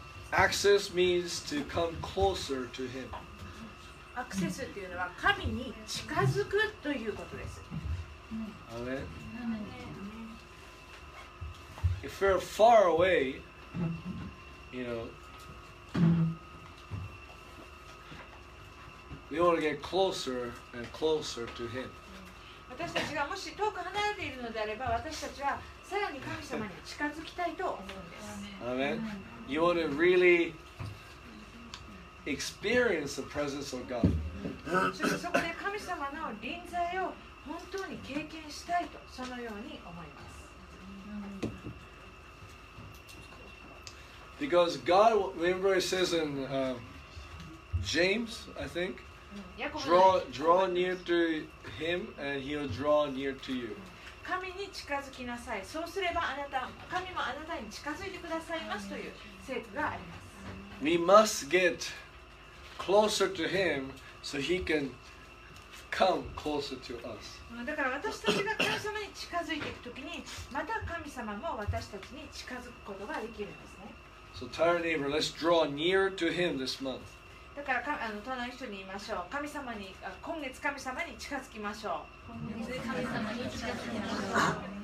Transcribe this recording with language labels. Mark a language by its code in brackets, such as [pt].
[en] Access means to come closer to him。 [ja] アクセスっていうのは神に近づくということです。 [en] あれ If we're far away, you know, we want to get closer and closer to him. [ja] 私たちがもし遠く離れているのであれば、私たちはさらに神様に近づきたいと思うんです。 [en] あれ You want to really experience the presence of God. [ja] そこで神様の臨在を本当に経験したいとそのように思います。 [en] Because God, remember it says in James, I think, draw near to him and he'll draw near to you. [ja] 神に近づきなさい、そうすればあなた、神もあなたに近づいてくださいますという聖句があります。 [en] We must get closer to himSo he can come closer to us. [ja] だから私たちが神様に近づいていくときに、また神様も私たちに近づくことができるんですね。 [en] So tell your neighbor, let's draw near to him this month. [ja] だから隣の人に言いましょう。神様に、今月神様に近づきましょう。神様に近づきましょう。